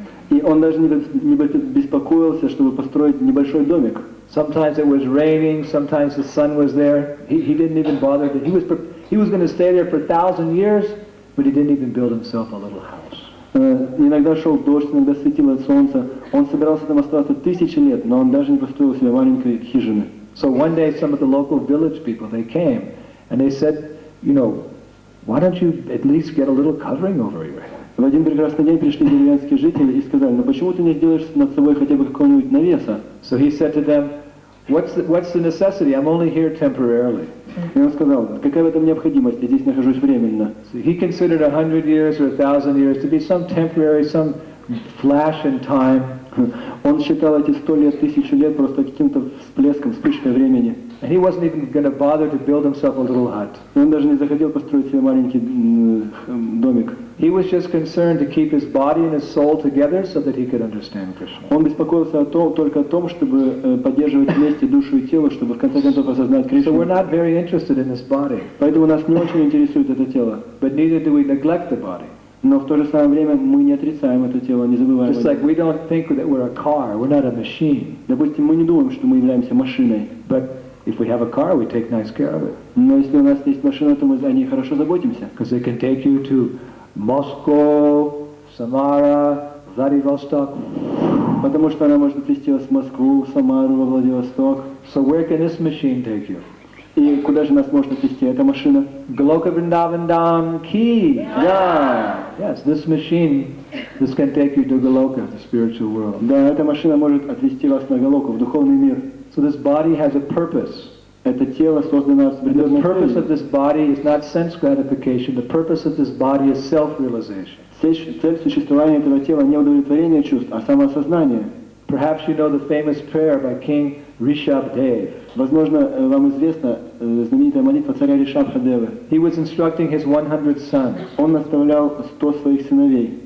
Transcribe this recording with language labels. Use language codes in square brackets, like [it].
[ru] И он даже не беспокоился, чтобы построить небольшой домик. [en] Sometimes it was raining, sometimes the sun was there. He didn't even bother. He was going to stay there for 1,000 years, but he didn't even build himself a little house. [ru] Иногда шел дождь, иногда светило солнце. Он собирался там оставаться тысячи лет, но он даже не построил себе маленькой хижины. [en] So one day some of the local village people, they came, and they said, you know, why don't you at least get a little covering over your head? [ru] В один прекрасный день пришли деревенские жители и сказали, ну почему ты не сделаешь над собой хотя бы какого-нибудь навеса? [en] So he said to them, what's the necessity? I'm only here temporarily. [ru] И он сказал, какая в этом необходимость? Я здесь нахожусь временно. [en] So he considered 100 years or 1,000 years to be some temporary, some flash in time. [ru] Он считал эти 100 лет, 1000 лет просто каким-то всплеском, вспышкой времени. [en] And he wasn't even going to bother to build himself a little hut. [ru] Он даже не захотел построить себе маленький домик. [en] He was just concerned to keep his body and his soul together so that he could understand Krishna. [ru] Он беспокоился о том, только о том, чтобы поддерживать вместе душу и тело, чтобы в конце концов осознать Кришну. [en] So we're not very interested in this body. [ru] Поэтому нас не очень интересует это тело. [en] But neither do we neglect the body. [ru] Но в то же самое время мы не отрицаем это тело, не забываем [en] Just [ru] его. [en] Like we don't think that we're a car, we're not a machine. [ru] Допустим, мы не думаем, что мы являемся машиной. [en] But if we have a car, we take nice care of it. [ru] Но если у нас есть машина, то мы о ней хорошо заботимся. [en] Because it can take you to Moscow, Samara, Vladivostok. [ru] Потому что она может отвезти вас в Москву, в Самару, во Владивосток. [en] So where can this machine take you? [ru] И куда же нас может отвезти эта машина? Глока Вриндавандам Ки. Да. [en] Yes, this machine, this can take you to Goloka, the spiritual world. [ru] Да, эта машина может отвезти вас на Голоку, в духовный мир. [en] So this body has a purpose. [ru] Это тело создано с предназначением. [en] The purpose of this body is not sense gratification. The purpose of this body is self-realization. [ru] Цель существования этого тела не удовлетворение чувств, а самосознание. [en] Perhaps you know the famous prayer by King Ришабхадева. [ru] Возможно, вам известна знаменитая молитва царя Ришабхадевы. [en] He was instructing his 100 sons. [ru] Он наставлял 100 своих сыновей.